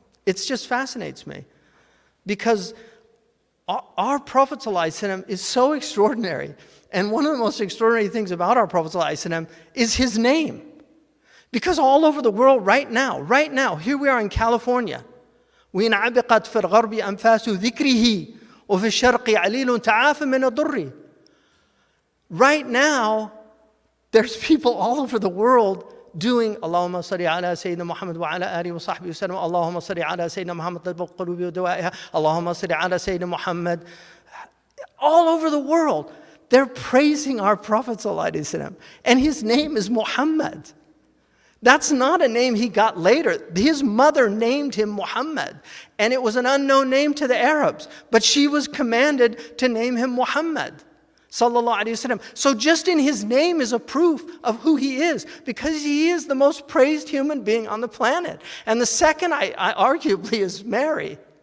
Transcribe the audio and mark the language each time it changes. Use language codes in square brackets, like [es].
[en] It just fascinates me because our Prophet is so extraordinary. And one of the most extraordinary things about our Prophet is his name. Because all over the world right now, here we are in California. [ar] وَإِنْعَبِقَتْ فِي الْغَرْبِ أَنْفَاسُ ذِكْرِهِ وَفِي الشَّرْقِ عَلِيلٌ تَعَافَ مِنَ الضُّرِّ [en] Right now, there's people all over the world doing [ar] اللَّهُمَّ صَلِّ عَلَى سَيِّدِنَا مُحَمَّدٍ وَعَلَى آلِهِ وَصَحْبِهِ وَسَلَّمَ اللَّهُمَّ صَلِّ عَلَى سَيِّدِنَا مُحَمَّدٍ طِبَّ الْقُلُوبِ وَدَوَائِهَا اللَّهُمَّ صَلِّ عَلَى سَيِّدِنَا مُحَمَّدٍ [en] All over the world, they're praising our Prophet sallallahu alaihi wasallam, and his name is Muhammad. That's not a name he got later. His mother named him Muhammad, and it was an unknown name to the Arabs, but she was commanded to name him Muhammad, sallallahu alaihi wasallam. So just in his name is a proof of who he is, because he is the most praised human being on the planet. And the second, I arguably, is Mary.